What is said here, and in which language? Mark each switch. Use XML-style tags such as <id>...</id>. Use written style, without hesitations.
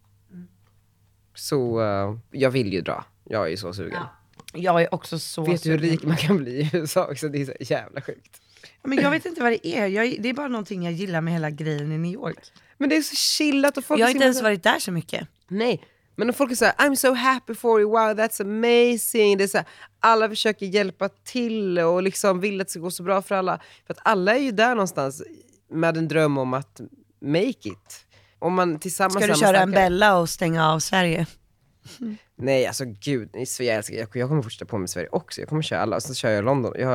<sv>Mm. Så jag vill ju dra. Jag är ju så sugen. Ja. Jag är också så sugen. Vet du hur rik man kan bli i USA också? Det är så jävla sjukt. Men jag vet inte vad det är. Det är bara någonting jag gillar med hela grejen i New York. Men det är så chillat. Och folk jag har inte ens varit där så mycket. Nej. Men folk säger,</sv> <en>I'm so happy for you, wow, that's amazing.</en> <sv>Det är så här, alla försöker hjälpa till och liksom vill att det ska gå så bra för alla. För att alla är ju där någonstans med en dröm om att</sv> <en>make it.</en> <sv>Om man tillsammans ska du köra en Bella och stänga av Sverige? Nej, alltså gud, jag kommer fortsätta på med Sverige också. Jag kommer köra alla och sen kör jag London.</sv>